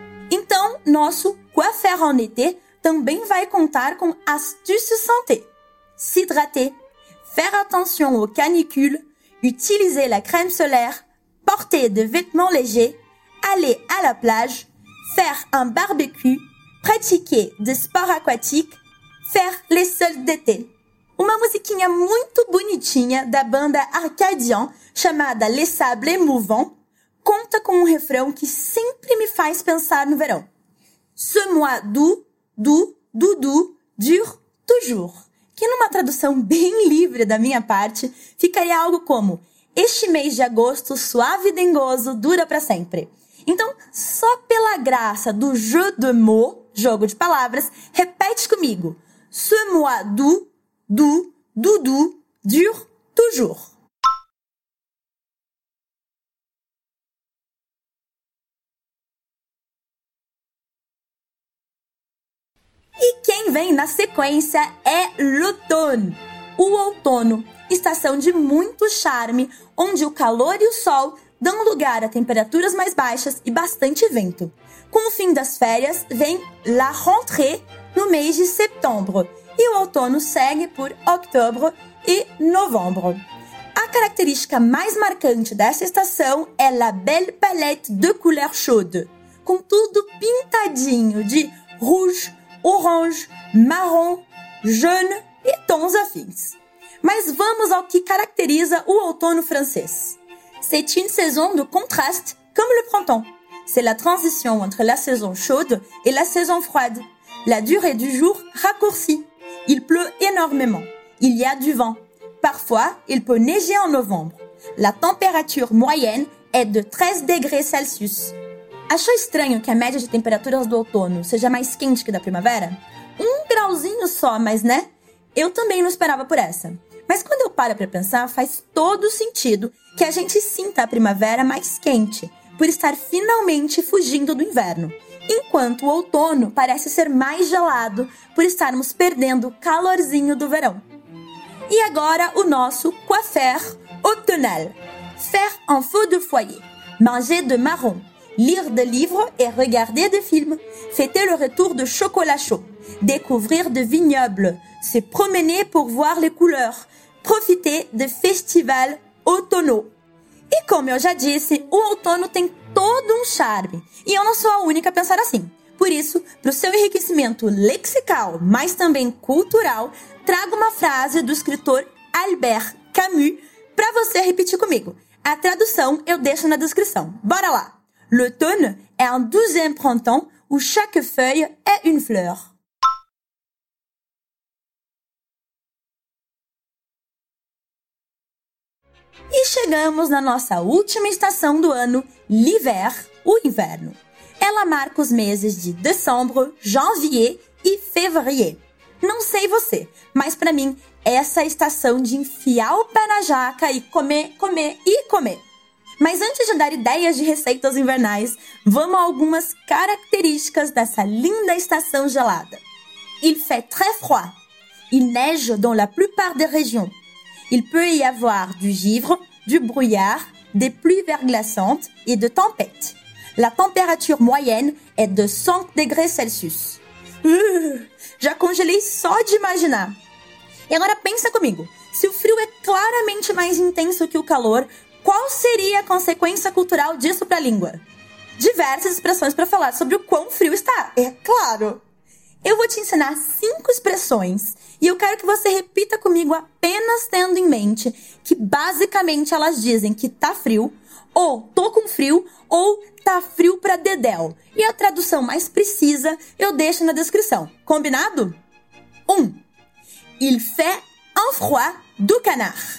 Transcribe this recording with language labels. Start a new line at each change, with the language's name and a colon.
Portuguese: Então, nosso
French: quoi faire en été
Portuguese: também vai contar com
French: astuces santé. S'hydrater, faire attention aux canicules, utiliser la crème solaire, porter de vêtements légers, aller à la plage, faire un barbecue, pratiquer des sports aquatiques, faire les soldes d'été.
Portuguese: Uma musiquinha muito bonitinha da banda Arcadian, chamada Les Sables Mouvants, conta com um refrão que sempre me faz pensar no verão.
French: Ce mois doux, doux, doux, doux, dure toujours.
Portuguese: Que numa tradução bem livre da minha parte, ficaria algo como este mês de agosto, suave e dengoso, dura pra sempre. Então, só pela graça do
French: jeu de mots,
Portuguese: jogo de palavras, repete comigo.
French: Ce mois doux, doux, doux, doux, dure toujours.
Portuguese: E quem vem na sequência é
French: l'automne,
Portuguese: o outono, estação de muito charme, onde o calor e o sol dão lugar a temperaturas mais baixas e bastante vento. Com o fim das férias, vem
French: la rentrée
Portuguese: no mês de setembro, e o outono segue por outubro e novembro. A característica mais marcante dessa estação é
French: la belle palette de couleurs chaudes,
Portuguese: com tudo pintadinho de
French: rouge, orange,
Portuguese: marrom,
French: jaune
Portuguese: e tons afins. Mas vamos ao que caracteriza o outono francês.
French: C'est une saison de contraste comme le printemps. C'est la transition entre la saison chaude et la saison froide. La durée du jour raccourcit. Il pleut énormément. Il y a du vent. Parfois, il peut neiger en novembre. La température moyenne est de 13 degrés Celsius.
Portuguese: Achou estranho que a média de temperaturas do outono seja mais quente que da primavera? Um grauzinho só, mas né? Eu também não esperava por essa. Mas quando eu paro para pensar, faz todo sentido que a gente sinta a primavera mais quente, por estar finalmente fugindo do inverno, enquanto o outono parece ser mais gelado, por estarmos perdendo o calorzinho do verão. E agora o nosso
French: quoi faire automnal. Faire un feu de foyer, manger de marron, lire des livres et regarder des films, fêter le retour de chocolat chaud, découvrir de vignobles, se promener pour voir les couleurs, profiter de festivals automnaux.
Portuguese: E como eu já disse, o outono tem todo um charme. E eu não sou a única a pensar assim. Por isso, para o seu enriquecimento lexical, mas também cultural, trago uma frase do escritor Albert Camus para você repetir comigo. A tradução eu deixo na descrição. Bora lá!
French: L'automne est un deuxième printemps où chaque feuille est une fleur.
Portuguese: E chegamos na nossa última estação do ano,
French: l'hiver,
Portuguese: o inverno. Ela marca os meses de
French: décembre, janvier
Portuguese: e
French: février.
Portuguese: Não sei você, mas para mim, essa é a estação de enfiar o pé na jaca e comer, comer e comer. Mas antes de dar ideias de receitas invernais, vamos a algumas características dessa linda estação gelada.
French: Il fait très froid. Il neige dans la plupart des régions. Il peut y avoir du givre, du brouillard, des pluies verglaçantes et de tempêtes. La température moyenne est de 5 degrés Celsius.
Portuguese: Já congelei só de imaginar. E agora pensa comigo. Se o frio é claramente mais intenso que o calor, qual seria a consequência cultural disso para a língua? Diversas expressões para falar sobre o quão frio está, é claro. Eu vou te ensinar 5 expressões e eu quero que você repita comigo apenas tendo em mente que basicamente elas dizem que tá frio, ou tô com frio, ou tá frio pra dedéu. E a tradução mais precisa eu deixo na descrição. Combinado? 1.
French: Il fait un froid du canard.